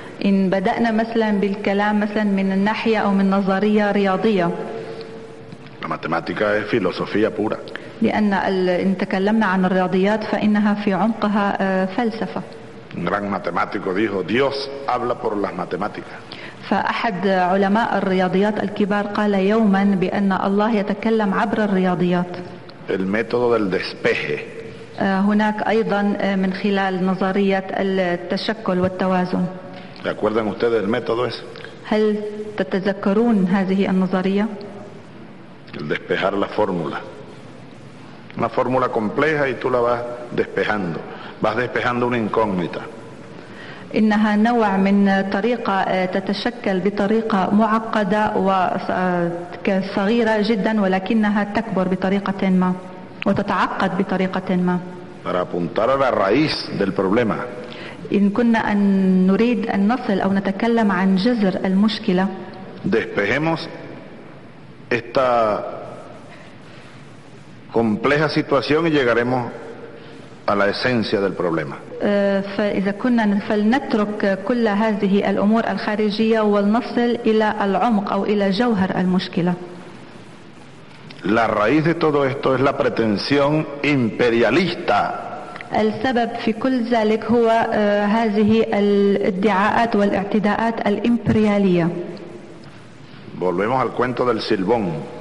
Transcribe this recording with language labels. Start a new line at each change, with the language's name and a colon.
Arabic: إن بدأنا مثلا بالكلام مثلا من الناحية أو من نظرية رياضية.
Spanish: La matemática es filosofía pura.
Arabic: لأن إن تكلمنا عن الرياضيات فإنها في عمقها فلسفة.
Spanish: Un gran matemático dijo, Dios habla por las matemáticas.
Arabic: فأحد علماء الرياضيات الكبار قال يوما بأن الله يتكلم عبر الرياضيات.
Spanish: El método del despeje.
Arabic: هناك أيضا من خلال نظرية التشكل والتوازن.
Spanish: ¿Recuerdan ustedes el método ese?
Arabic: هل تتذكرون هذه النظرية؟
Spanish: El despejar la fórmula. Una fórmula compleja y tú la vas despejando. Vas despejando una incógnita.
Arabic: إنها نوع من طريقة تتشكل بطريقة معقدة وصغيرة جدا ولكنها تكبر بطريقة ما وتتعقد بطريقة ما.
Spanish: Para apuntar a la raíz del problema.
Arabic: إن كنا أن نريد أن نصل أو نتكلم عن جذر المشكلة.
Spanish: Despejemos esta compleja situación y llegaremos a la esencia del problema.
Arabic: فإذا كنا فلنترك كل هذه الأمور الخارجية ولنصل إلى العمق أو إلى جوهر المشكلة.
Spanish: La raíz de todo esto es la pretensión imperialista.
Arabic: السبب في كل ذلك هو هذه الادعاءات والاعتداءات الإمبريالية.
Spanish: Volvemos al cuento del Silbón.